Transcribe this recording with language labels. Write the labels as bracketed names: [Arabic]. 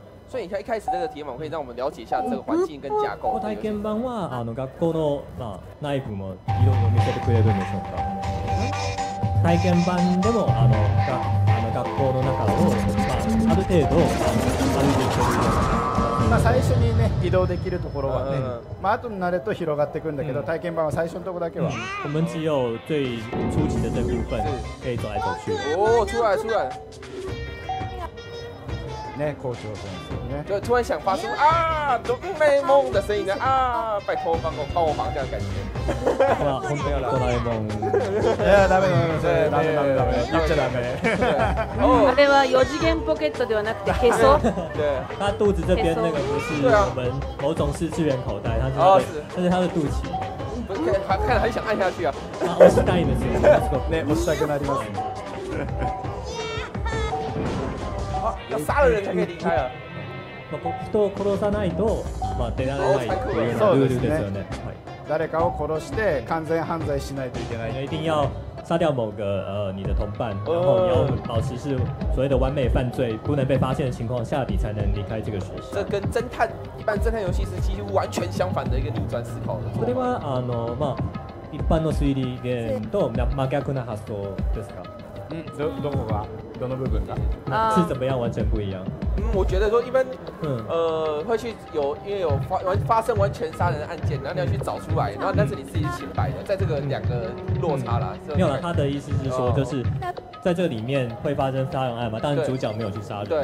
[Chinese] 说一下一开始这个体验馆可以让我们了解一下这个环境跟架构。 [Japanese] 体验版はあの学校のまあ内部もいろいろ見せてくれるんでしょうか。体験版でもあの学校の中をまあある程度歩いていける。まあ、最初にね移動できるところはね、まあ後になると広がっていくんだけど、体験版は最初のところだけは。 [Chinese] 我们只有最初级的这部分可以走来走去。哦，出来出来。 [Japanese] ね、校長先生ね。 [Chinese] 就突然想发出啊，ドラえもん的声音啊，拜托帮我帮我忙这样感觉。 [Japanese] あれは四次元ポケットではなくてへそ。 [Chinese] 他肚子这边那个不是我们某种是次元口袋，他是那是他的肚脐。看了很想按下去啊。 [Japanese] 押したいですよ。ね、押したくなります。 [Chinese] 要杀了人才可以离开啊。 [Japanese] まあ人を殺さないとまあ出られないというようなルールですよね。誰かを殺して完全犯罪しないといけない。 [Chinese] 一定要杀掉某个你的同伴，然后你要保持是所谓的完美犯罪，不能被发现的情况下，你才能离开这个学校。这跟侦探一般侦探游戏是几乎完全相反的一个逆转思考的。 [Japanese] それはあのまあ一般の推理ゲームと真逆な発想ですか。どこが？どの部分が？ [Chinese] 是怎么样完全不一样？我觉得说一般，会去有因为有发生完全杀人案件，然后你要去找出来，然后但是你自己清白的，在这个两个落差啦。没有了，他的意思是说，就是在这里面会发生杀人案嘛，当然主角没有去杀人，